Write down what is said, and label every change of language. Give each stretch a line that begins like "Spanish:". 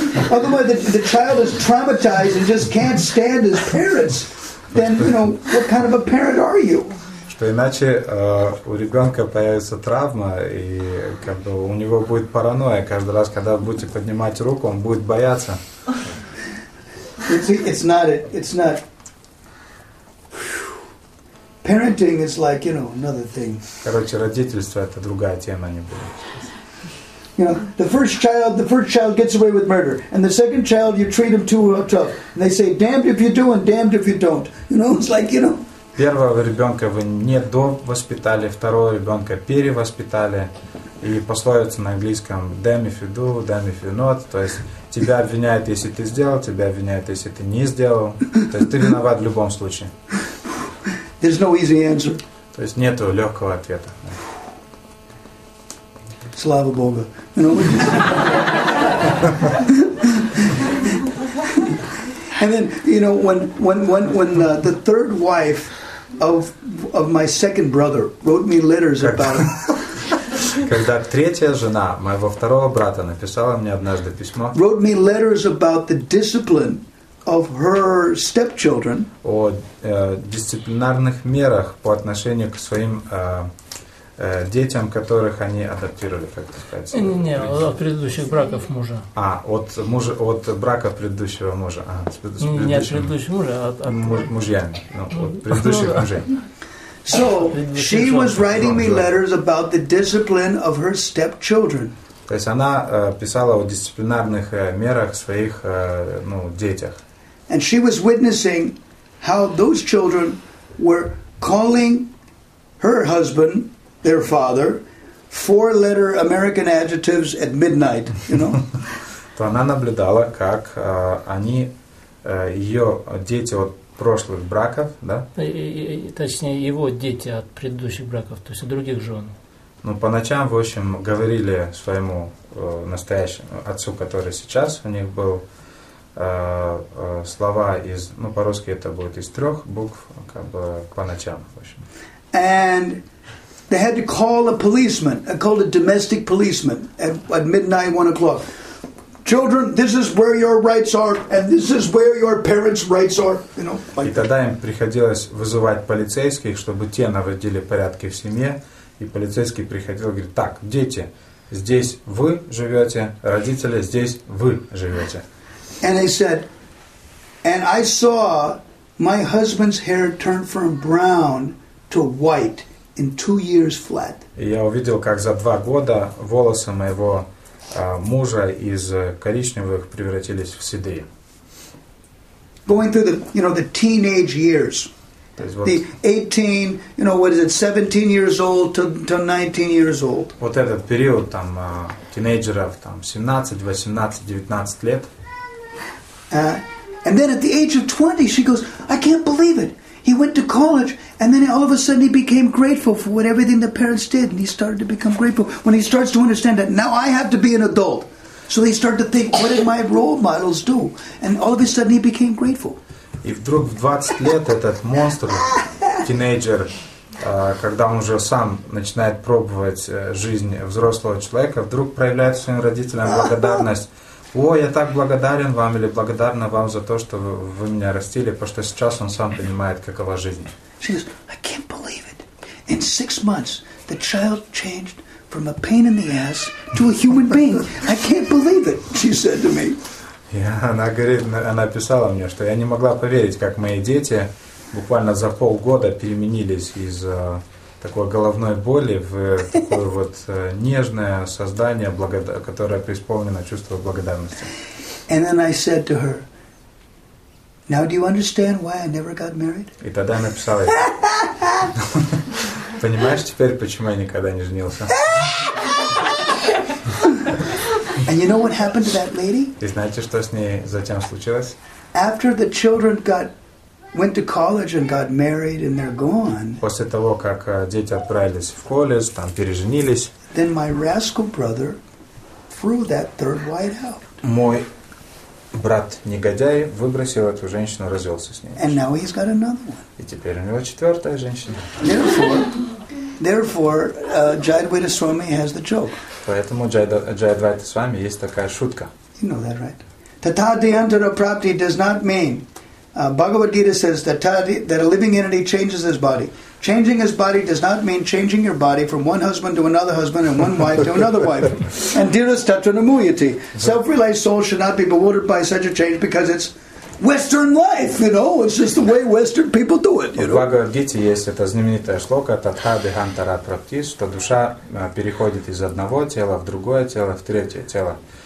English: Otherwise, the child is traumatized and just can't stand his parents. Then, you know, what kind of a parent are you?
Russian: Что иначе у ребенка появится травма, и как бы у него будет паранойя. Каждый раз, когда вы будете поднимать руку, он будет бояться.
English: It's not it. It's not. Parenting is like, you know, another thing.
Russian: Короче, родительство это другая тема, не будет.
English: You know, the first child gets away with murder, and the second child you treat him too tough. And they say, damned if you do and damned if you don't. You know, it's like, you know.
Russian: Первого ребенка вы не довоспитали, второго ребенка перевоспитали. И пословица на английском
English: damn if you do, damn if you not.
Russian: То есть тебя обвиняют, если ты сделал, тебя обвиняют, если ты не сделал. То есть ты виноват в любом случае.
English: There's no easy answer.
Russian: То есть нет легкого ответа. Слава Богу.
English: And then, you know, when the third wife of my second brother wrote me letters about him.
Russian: Когда третья жена моего второго брата написала мне однажды письмо.
English: Wrote me letters about the discipline of her stepchildren.
Russian: О дисциплинарных мерах по отношению к своим детям, которых они адаптировали, как это сказать? Не, от предыдущих браков мужа. А, от брака предыдущего мужа. А, не от предыдущего мужа, а от... Мужьями, ну, от предыдущих мужей.
English: So, she was writing me letters about the discipline of her stepchildren.
Russian: То есть она писала о дисциплинарных мерах своих, ну, детях.
English: And she was witnessing how those children were calling her husband... Their father, four-letter American adjectives at midnight. You know.
Russian: То она наблюдала, как они ее дети от прошлых браков, да? Точнее, его дети от предыдущих браков, то есть от других жен. Ну по ночам, в общем, говорили своему настоящему отцу, который сейчас у них был, слова из, ну по-русски это будет из трех букв, как бы по ночам, в общем.
English: And they had to call a policeman. I called a domestic policeman at midnight, 1 o'clock. Children, this is where your rights are, and this is where your parents' rights are. You know. Like.
Russian: И тогда им приходилось вызывать полицейских, чтобы те наводили порядки в семье. И полицейский приходил, говорит: "Так, дети, здесь вы живете, родители здесь вы живете."
English: And they said, and I saw my husband's hair turn from brown to white. In 2 years flat.
Russian: Я увидел, как за 2 года волосы моего мужа из коричневых превратились в седые.
English: Going through the, you know, the teenage years. The 18, you know, what is it, 17 years old to 19 years old.
Russian: Вот этот период там тинейджеров там 17, 18, 19 лет.
English: And then at the age of 20, she goes, I can't believe it. He went to college, and then all of a sudden he became grateful for what everything the parents did, and he started to become grateful when he starts to understand that now I have to be an adult. So they start to think, what did my role models do? And all of a sudden he became grateful.
Russian: И вдруг в 20 лет этот монстр, тинейджер, когда он уже сам начинает пробовать жизнь взрослого человека, вдруг проявляет своим родителям благодарность. О, я так благодарен вам или благодарна вам за то, что вы меня растили, потому что сейчас он сам понимает, какова жизнь.
English: She goes, I can't believe it. In 6 months, the child changed from a pain in the ass to a human being. I can't believe it, she said to me.
Russian: Она говорит, она писала мне, что я не могла поверить, как мои дети буквально за полгода переменились из такой головной боли в такое вот нежное создание, которое преисполнено чувством благодарности.
English: And then I said to her, now do you understand why I never got married?
Russian: И тогда я написал ей, понимаешь теперь, почему я никогда не женился?
English: And you know what happened to that lady?
Russian: И знаете, что с ней затем случилось?
English: After the children went to college and got married and they're gone.
Russian: После того, как дети отправились в колледж, там переженились.
English: Then my rascal brother threw that third wife out.
Russian: Мой брат негодяй выбросил эту женщину, развелся с ней.
English: And now he's got another one.
Russian: И теперь у него четвертая женщина.
English: Therefore, Jayadvaita Swami has the joke.
Russian: Поэтому Jayadvaita Swami есть такая шутка.
English: You know that, right?
Sanskrit: Tathādhyantara prapti
English: does not mean. Bhagavad Gita says that a living entity changes his body. Changing his body does not mean changing your body from one husband to another husband and one wife to another wife. And dearest Tatranamuyati, self-realized soul should not be bewildered by such a change because it's Western life, you know, it's just the way Western people do it, you know.
Russian: В Бхагавад Гите есть эта знаменитая шлока Татха Дегантара Прапти, что душа переходит из одного тела в другое тело, в третье тело.